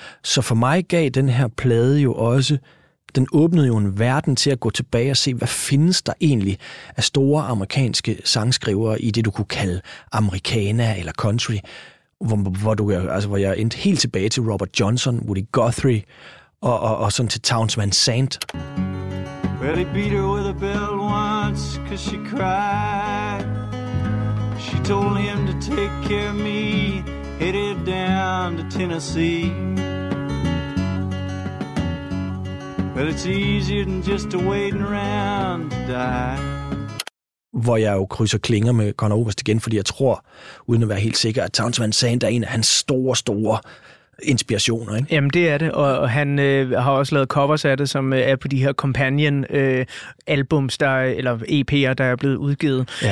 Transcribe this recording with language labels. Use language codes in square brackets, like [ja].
[da] Så for mig gav den her plade jo også, den åbnede jo en verden til at gå tilbage og se, hvad findes der egentlig af store amerikanske sangskrivere i det, du kunne kalde americana eller country. Hvor jeg endte helt tilbage til Robert Johnson, Woody Guthrie, og sådan til Townsman Saint. [en] Well, he beat her with a bell once, 'cause she cried. She told him to take care of me, headed down to Tennessee. Well, it's easier than just waiting around to die. [da] Hvor jeg jo krydser klinger med Conor Oberst igen, fordi jeg tror, uden at være helt sikker, at Townsman Saint er en af hans store, store inspirationer. Ikke? Jamen, det er det, og han har også lavet covers af det, som er på de her Companion-albums, eller EP'er, der er blevet udgivet.